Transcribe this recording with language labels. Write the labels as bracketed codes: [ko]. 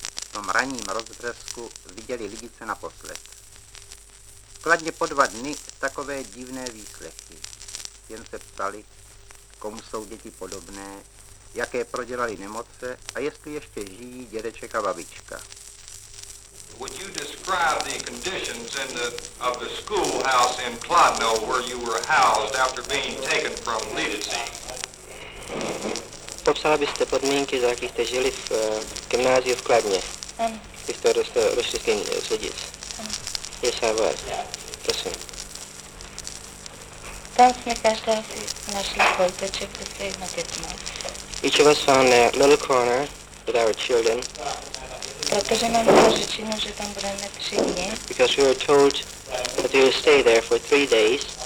[cs] V tom raním rozbřesku viděli Lidice naposled. V Kladně po 2 dny takové divné výslechy. Jen se ptali, komu jsou děti podobné, jaké prodělali nemoce a jestli ještě žijí dědeček a babička. [en] Would you describe the conditions in the of the schoolhouse in Kladno where you were housed after being taken from Lidice? [cs] Popsala byste podmínky, za jakých jste žili v gymnáziu v Kladně? Ano. Když jste došli z Lidic? Ano. [en] Yes, I was. [cs] Prosím. Tam jsme každá našli kojteček, to se jedna dětma. [en] Each of us found a little corner with our children. [cs] Protože nám bylo řečeno, že tam budeme 3 dny. [en] Because we were told that we would stay there for 3 days.